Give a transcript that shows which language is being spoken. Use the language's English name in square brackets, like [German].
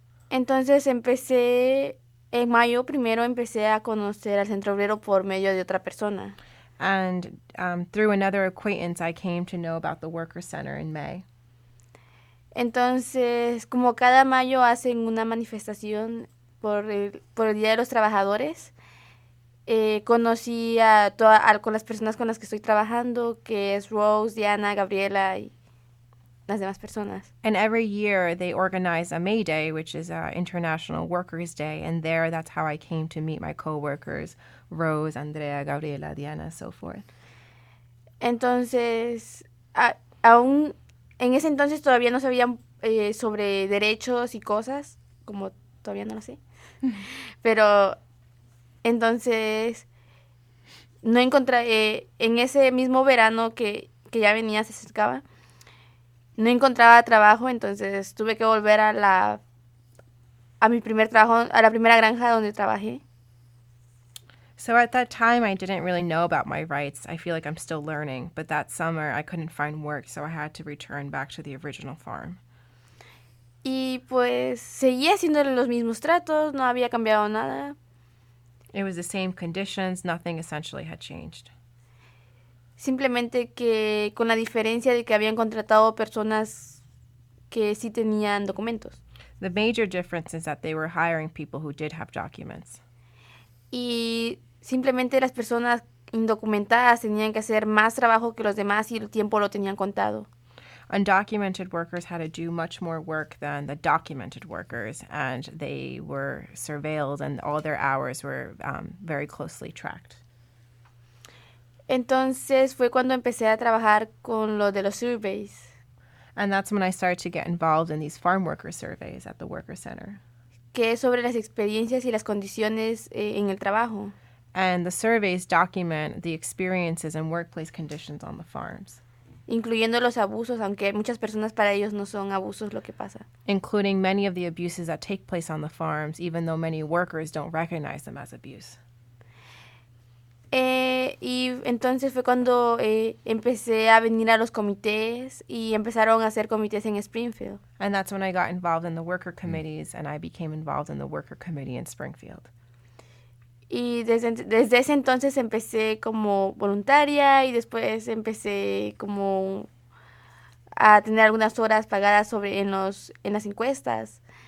[Spanish] Entonces empecé, en mayo primero empecé a conocer al Centro Obrero por medio de otra persona. [English] And through another acquaintance, I came to know about the Worker Center in May. [Spanish] Entonces, como cada mayo hacen una manifestación por el Día de los Trabajadores, conocí con las personas con las que estoy trabajando, que es Rose, Diana, Gabriela y las demás personas. [English] And every year they organize a May Day, which is International Workers' Day, and there that's how I came to meet my coworkers, Rose, Andrea, Gabriela, Diana, so forth. [Spanish] Entonces, aún en ese entonces todavía no sabían sobre derechos y cosas, como todavía no lo sé, pero entonces no encontré en ese mismo verano que ya venía, se acercaba, no encontraba trabajo, entonces tuve que volver a la primera granja donde trabajé. [English] So at that time I didn't really know about my rights. I feel like I'm still learning, but that summer I couldn't find work, so I had to return back to the original farm. [Spanish] Y pues seguía haciendo los mismos tratos, no había cambiado nada. [English] It was the same conditions, nothing essentially had changed. [Spanish] Simplemente que con la diferencia de que habían contratado personas que sí tenían documentos. [English] The major difference is that they were hiring people who did have documents. [Spanish] Y simplemente las personas indocumentadas tenían que hacer más trabajo que los demás y el tiempo lo tenían contado. [English] Undocumented workers had to do much more work than the documented workers, and they were surveilled, and all their hours were very closely tracked. [Spanish] Entonces fue cuando empecé a trabajar con lo de los surveys. [English] And that's when I started to get involved in these farm worker surveys at the Worker Center. [Spanish] Que es sobre las experiencias y las condiciones en el trabajo. [English] And the surveys document the experiences and workplace conditions on the farms. [Spanish] Incluyendo los abusos, aunque muchas personas para ellos no son abusos lo que pasa. [English] Including many of the abuses that take place on the farms, even though many workers don't recognize them as abuse. [Spanish] Y entonces fue cuando empecé a venir a los comités y empezaron a hacer comités en Springfield. [English] And that's when I got involved in the worker committees and I became involved in the worker committee in Springfield. [Spanish] Y desde ese entonces empecé como voluntaria y después empecé como a tener algunas horas pagadas en las encuestas.